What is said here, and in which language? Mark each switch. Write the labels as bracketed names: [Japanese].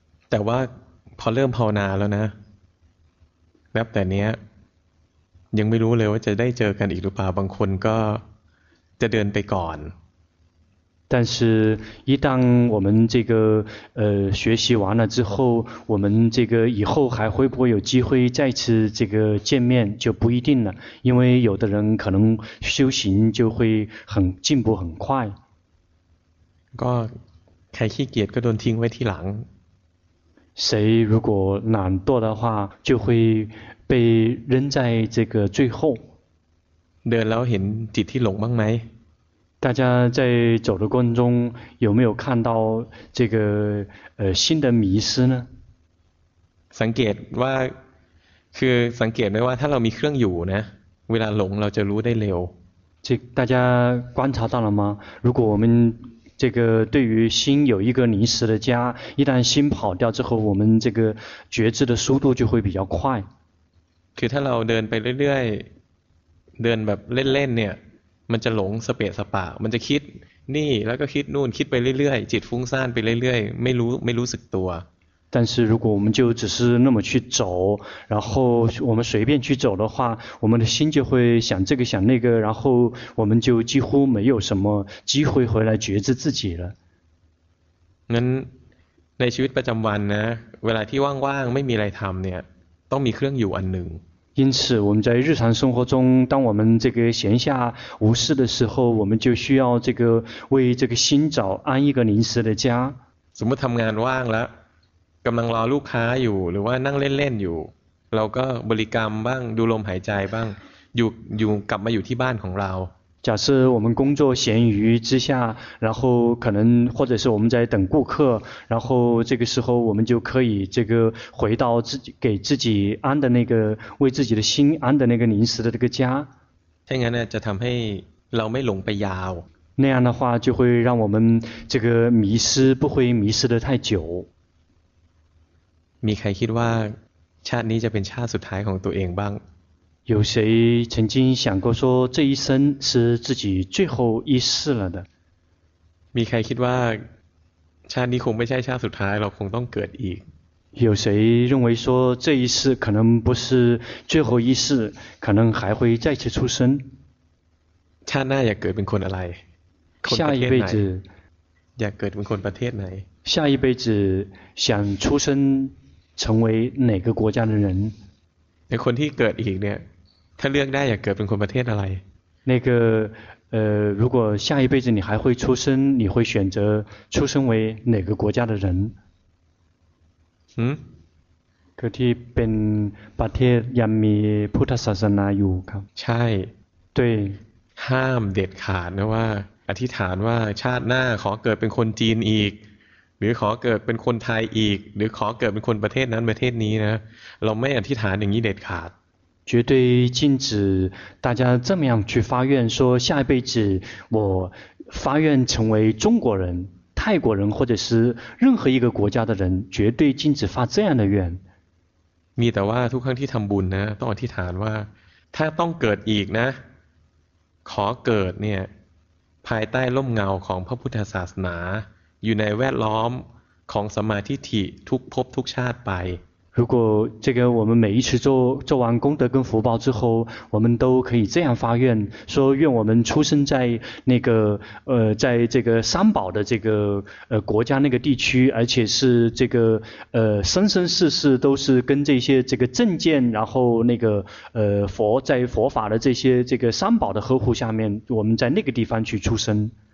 [Thai] แต่ว่าพอเริ่มภาวนาแล้วนะนับแต่เนี้ยยังไม่รู้เลยว่าจะได้เจอกันอีกหรือเปล่าบางคนก็จะเดินไปก่อน [Chinese] 但是一旦我们这个学习完了之后，我们这个以后还会不会有机会再次这个见面就不一定了，因为有的人可能修行就会很进步很快。 [Thai] ก็ใครขี้เกียจก็โดนทิ้งไว้ที่หลัง [Chinese] 谁如果懒惰的话就会被扔在这个最后。 [Thai] เดินแล้วเห็นจิตที่หลงบ้างไหม [Chinese] 大家在走的过程中有没有看到这个新的迷失呢 [Thai] สังเกตว่าคือสังเกตไหมว่าถ้าเรามีเครื่องอยู่นะเวลาหลงเราจะรู้ได้เร็ว [Chinese] 这大家观察到了吗如果我们这个对于心有一个临时的家一旦心跑掉之后我们这个觉知的速度就会比较快 [Thai] คือถ้าเราเดินไปเรื่อยๆเดินแบบเล่นๆเนี่ยมันจะหลงสเปะสปะมันจะคิดนี่แล้วก็คิดนู่นคิดไปเรื่อยๆจิตฟุ้งซ่านไปเรื่อยๆไม่รู้สึกตัว [Chinese] 但是如果我们就只是那么去走然后我们随便去走的话我们的心就会想这个想那个然后我们就几乎没有什么机会回来觉知自己了 [Thai] นั้นในชีวิตประจำวันนะเวลาที่ว่างๆไม่มีอะไรทำเนี่ยต้องมีเครื่องอยู่อันหนึ่ง [Chinese] 因此我们在日常生活中当我们这个闲下无事的时候我们就需要这个为这个心找安一个临时的家 [Thai] สมมติทำงานว่างแล้วกำลังรอลูกค้าอยู่หรือว่านั่งเล่นๆอยู่เราก็บริกรรมบ้างดูลมหายใจบ้างอยู่กลับมาอยู่ที่บ้านของเรา [Chinese] 假设我们工作闲余之下然后可能或者是我们在等顾客然后这个时候我们就可以这个回到自己给自己安的那个为自己的心安的那个临时的这个家 [Thai] ถ้าอย่างนั้นจะทำให้เราไม่หลงไปยาว [Chinese] 那样的话就会让我们这个迷失不会迷失的太久 [Thai] มีใครคิดว่าชาตินี้จะเป็นชาติสุดท้ายของตัวเองบ้าง [Chinese] 有谁曾经想过说这一生是自己最后一世了的 [Thai] มีใครคิดว่าชาตินี้คงไม่ใช่ชาติสุดท้ายเราคงต้องเกิดอีก [Chinese] 有谁认为说这一世可能不是最后一世可能还会再次出生 [Thai] ชาติหน้าอยากเกิดเป็นคนอะไร [Chinese] 下一辈子 [Thai] อยากเกิดเป็นคนประเทศไหน [Chinese] 下一辈子想出生成为哪个国家的人 [Thai] ในคนที่เกิดอีกเนี่ยถ้าเลือกได้อยากเกิดเป็นคนประเทศอะไร [Chinese] 那个如果下一辈子你还会出生你会选择出生为哪个国家的人嗯 [Thai] คือที่เป็นประเทศยังมีพุทธศาสนาอยู่ครับ ใช่ [Chinese] 对 [Thai] ห้ามเด็ดขาดนะว่าอธิษฐานว่าชาติหน้าขอเกิดเป็นคนจีนอีกหรือขอเกิดเป็นคนไทยอีกหรือขอเกิดเป็นคนประเทศนั้นประเทศนี้นะเราไม่อธิษฐานอย่างนี้เด็ดขาด [Chinese] 绝对禁止大家这么样去发愿说下一辈子我发愿成为中国人泰国人或者是任何一个国家的人绝对禁止发这样的愿 [Thai] มีแต่ว่าทุกครั้งที่ทำบุญนะต้องอธิษฐานว่าถ้าต้องเกิดอีกนะขอเกิดเนี่ยภายใต้ร่มเงาของพระพุทธศาสนาอยู่ในแวดล้อมของสัมมาทิฏฐิทุกภพทุกชาติไป [Chinese] 如果这个我们每一次做完功德跟福报之后我们都可以这样发愿说愿我们出生在那个在这个三宝的这个国家那个地区而且是这个生生世世都是跟这些这个正见然后那个佛在佛法的这些这个三宝的呵护下面我们在那个地方去出生